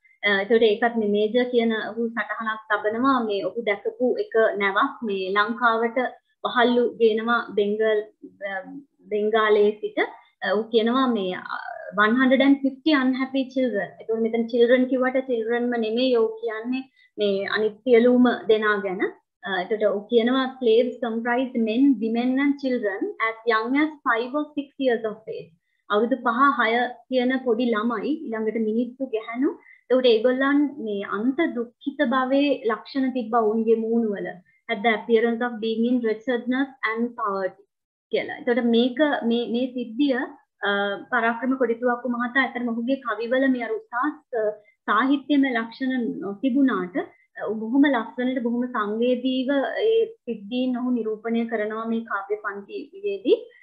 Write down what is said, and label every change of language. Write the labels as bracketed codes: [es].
[si] ඒකට ඒකත් මේ මේජර් කියන ඔහු සටහනක් තබනවා. මේ ඔහු දැකපු එක නැවක් මේ ලංකාවට වහල්ලු ගේනවා බෙංගාලයේ සිට. ඔහු කියනවා මේ 150 [en] unhappy children. [si] ඒකෝ මෙතන children කිව්වට children නෙමෙයි ඔහු කියන්නේ මේ අනිත් සියලුම දෙනා ගැන. ඒකට ඔහු කියනවා [en] slaves comprised men, women and children as young as 5 or 6 years of age. [si] අවුරුදු 5 6 කියන පොඩි ළමයි ඊළඟට මිනිත්තු ගහනු. ඒකට ඒගොල්ලන් මේ අන්ත දුක්ඛිත භවයේ ලක්ෂණ තිබ්බා ඔවුන්ගේ මූණ වල. [en] At the appearance of being in wretchedness and poverty. [si] කියලා. ඒකට මේක මේ මේ සිද්ධිය පරාක්‍රම කොඩිතුවක්කු මහතා ඇතර මොහුගේ කවිවල මේ අර උසස් සාහිත්‍යමය ලක්ෂණ නොතිබුණාට බොහොම ලස්සනට බොහොම සංවේදීව ඒ සිද්ධීන් ඔහු නිරූපණය කරනවා මේ කාව්‍ය පන්ති වේදී.